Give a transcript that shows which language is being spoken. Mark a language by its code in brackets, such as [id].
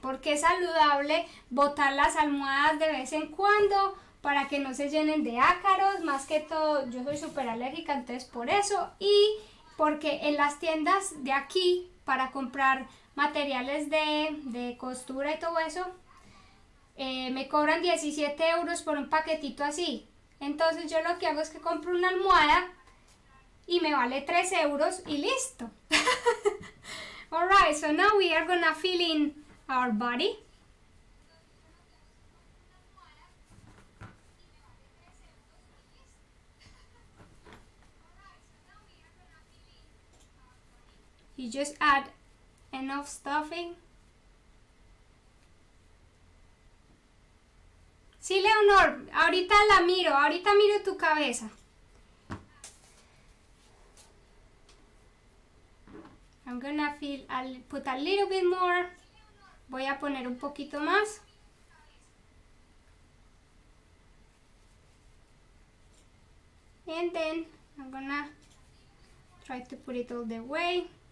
[es] Porque es saludable botar las almohadas de vez en cuando, para que no se llenen de ácaros, más que todo, yo soy súper alérgica, entonces por eso, y porque en las tiendas de aquí, para comprar materiales de costura y todo eso, me cobran 17 euros por un paquetito así, entonces yo lo que hago es que compro una almohada, y me vale 3 euros, y listo. [en] Alright, so now we are gonna fill in our body. You just add enough stuffing. [es] Sí, Leonor, ahorita la miro, ahorita miro tu cabeza. [en] I'm gonna fill, I'll put a little bit more. [es] Voy a poner un poquito más. [en] And then I'm gonna try to put it all the way.